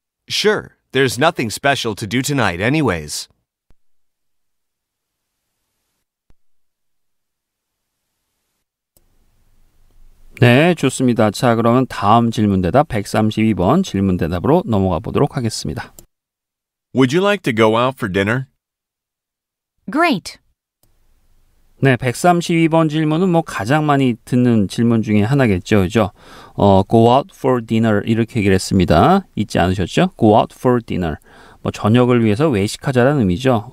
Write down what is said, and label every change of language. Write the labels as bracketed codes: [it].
[en] Sure, there's nothing special to do tonight anyways. [ko] 네, 좋습니다. 자, 그러면 다음 질문 대답 132번 질문 대답으로 넘어가 보도록 하겠습니다. [en] Would you like to go out for dinner? Great. [ko] 네, 132번 질문은 뭐 가장 많이 듣는 질문 중에 하나겠죠, 그죠? [en] Go out for dinner [ko] 이렇게 얘기를 했습니다. 잊지 않으셨죠? [en] Go out for dinner. [ko] 뭐 저녁을 위해서 외식하자는 의미죠.